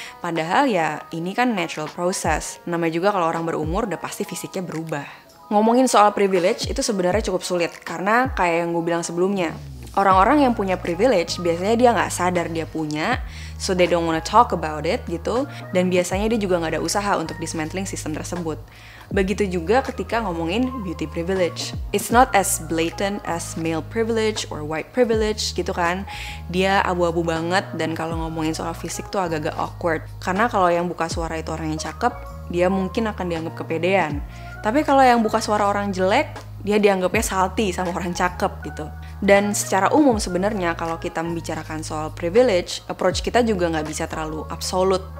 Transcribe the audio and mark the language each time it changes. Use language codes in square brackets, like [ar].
[id] Padahal ya ini kan natural process. Namanya juga kalau orang berumur udah pasti fisiknya berubah. Ngomongin soal privilege itu sebenarnya cukup sulit, karena kayak yang gue bilang sebelumnya, orang-orang yang punya privilege biasanya dia gak sadar dia punya, [en] so they don't wanna talk about it [id] gitu, dan biasanya dia juga gak ada usaha untuk dismantling sistem tersebut. Begitu juga ketika ngomongin beauty privilege. [en] It's not as blatant as male privilege or white privilege [id] gitu kan. Dia abu-abu banget, dan kalau ngomongin soal fisik tuh agak-agak awkward. Karena kalau yang buka suara itu orang yang cakep, dia mungkin akan dianggap kepedean. Tapi kalau yang buka suara orang jelek, dia dianggapnya salty sama orang cakep gitu. Dan secara umum sebenarnya kalau kita membicarakan soal privilege, approach kita juga nggak bisa terlalu absolute.